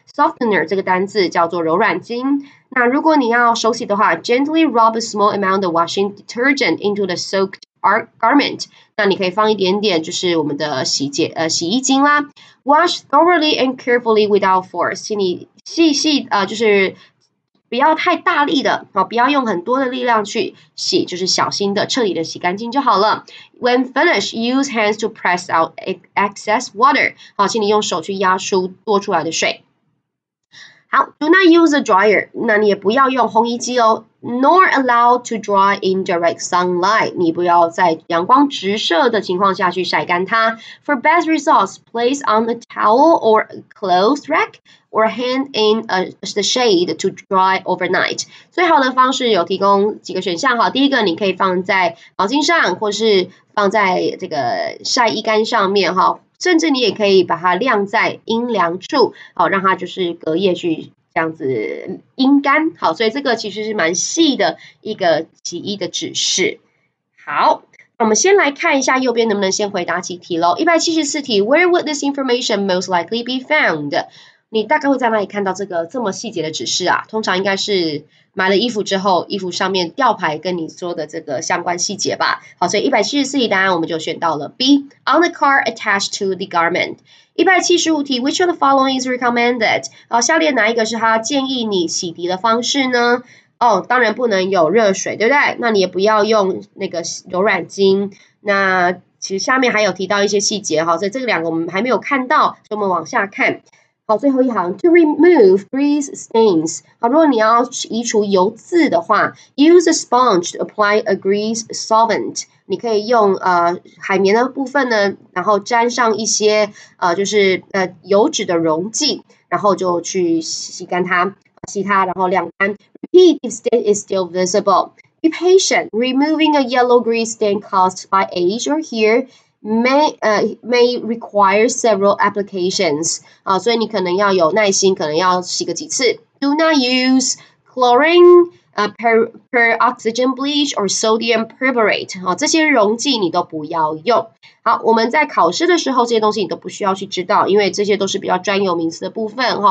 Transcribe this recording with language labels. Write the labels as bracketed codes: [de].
[zh] Softener 这个单字叫做柔软巾。那如果你要手洗的话 [en] ，gently rub a small amount of washing detergent into the soaked garment. [zh] 那你可以放一点点，就是我们的洗衣精啦。 [en] Wash thoroughly and carefully without force. [zh] 请你就是不要太大力的，不要用很多的力量去洗，就是小心的彻底的洗干净就好了。 [en] When finished, use hands to press out excess water. [zh] 好，请你用手去压出多出来的水。 [en] 好 ，do not use a dryer. [zh] 那你也不要用烘衣机哦。 [en] Nor allow to dry in direct sunlight. [zh] 你不要在阳光直射的情况下去晒干它。 [en] For best results, place on a towel or clothes rack or hang in the shade to dry overnight. [zh] 最好的方式有提供几个选项哈。第一个，你可以放在毛巾上，或是放在这个晒衣杆上面哈。甚至你也可以把它晾在阴凉处，好，让它就是隔夜去这样子阴干。好，所以这个其实是蛮细的一个洗衣的指示。好，我们先来看一下右边能不能先回答几题咯。 [en] 174题 ,Where would this information most likely be found? [zh] 你大概会在哪里看到这个这么细节的指示啊？通常应该是买了衣服之后，衣服上面吊牌跟你说的这个相关细节吧。好，所以174题答案我们就选到了 [en] B, on the car attached to the garment. 175题 ,Which of the following is recommended? [zh] 好，下列哪一个是他建议你洗涤的方式呢？哦，当然不能有热水，对不对？那你也不要用那个柔软巾。那其实下面还有提到一些细节，好，所以这个两个我们还没有看到，所以我们往下看。好，最后一行 [en] ,to remove grease stains. [zh] 好，如果你要移除油渍的话 [en] ,use a sponge to apply a grease solvent. [zh] 你可以用海绵的部分呢，然后沾上一些油脂的溶剂，然后就去洗干它，洗它然后晾干。 [en] Repeat if stain is still visible. Be patient. Removing a yellow grease stain caused by age or hair may require several applications. [zh] 所以你可能要有耐心，可能要洗个几次。 [en] Do not use chlorine, peroxygen bleach or sodium perborate. [zh] 这些溶剂你都不要用。好，我们在考试的时候，这些东西你都不需要去知道，因为这些都是比较专有名词的部分。